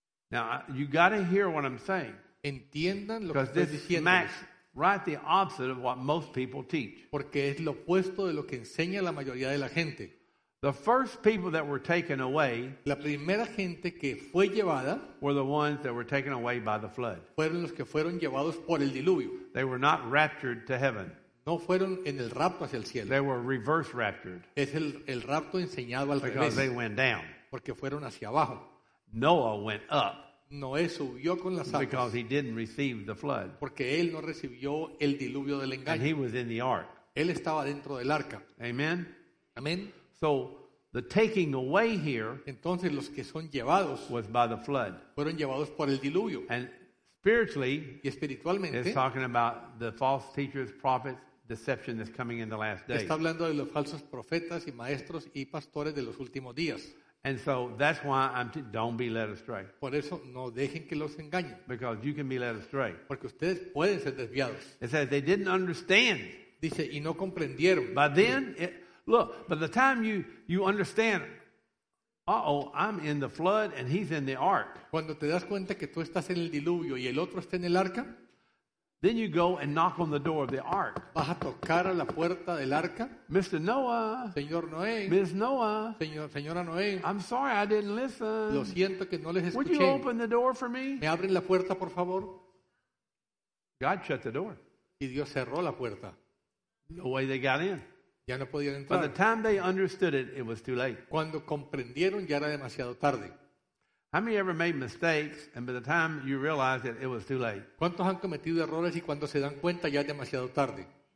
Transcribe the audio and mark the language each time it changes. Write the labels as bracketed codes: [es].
[en] Now, you got to hear what I'm saying. [es] Entiendan lo que estoy diciendo. [en] Max, right the opposite of what most people teach. [es] Porque es lo opuesto de lo que enseña la mayoría de la gente. [en] The first people that were taken away, [es] la primera gente que fue llevada, [en] were the ones that were taken away by the flood. [es] Fueron los que fueron llevados por el diluvio. [en] They were not raptured to heaven. [es] No fueron en el rapto hacia el cielo. [en] They were reverse raptured. [es] Es el rapto enseñado al revés. [en] Because they went down. [es] Porque fueron hacia abajo. [en] Noah went up. [es] Noé subió con las aguas. [en] Because he didn't receive the flood. [es] Porque él no recibió el diluvio del engaño. [en] And he was in the ark. [es] Él estaba dentro del arca. [en] Amen. [es] Amen. [en] So the taking away here, [es] entonces los que son llevados, [en] was by the flood. [es] Fueron llevados por el diluvio. [en] And spiritually, [es] y espiritualmente, [en] it's talking about the false teachers, prophets, deception that's coming in the last days. [es] Está hablando de los falsos profetas y maestros y pastores de los últimos días. [en] And so that's why don't be led astray. [es] Por eso no dejen que los engañen. [en] Because you can be led astray. [es] Porque ustedes pueden ser desviados. [en] It says they didn't understand. [es] Dice y no comprendieron. [en] By then, by the time you understand, I'm in the flood and he's in the ark. [es] Cuando te das cuenta que tú estás en el diluvio y el otro está en el arca, [en] then you go and knock on the door of the ark. [es] Vas a tocar a la puerta del arca. [en] Mr. Noah. [es] Señor Noé. [en] Ms. Noah. [es] Señora Noé. [en] I'm sorry, I didn't listen. [es] Lo siento que no les escuché. [en] Would you open the door for me? [es] ¿Me abren la puerta, por favor? [en] God shut the door. [es] Y Dios cerró la puerta. [en] The way they got in. [es] Ya no podían entrar. [en] By the time they understood it, it was too late. [es] Cuando comprendieron, ya era demasiado tarde. [en] How many ever made mistakes and by the time you realized it, it was too late? [es] ¿Cuántos han cometido errores y cuando se dan cuenta ya es demasiado tarde?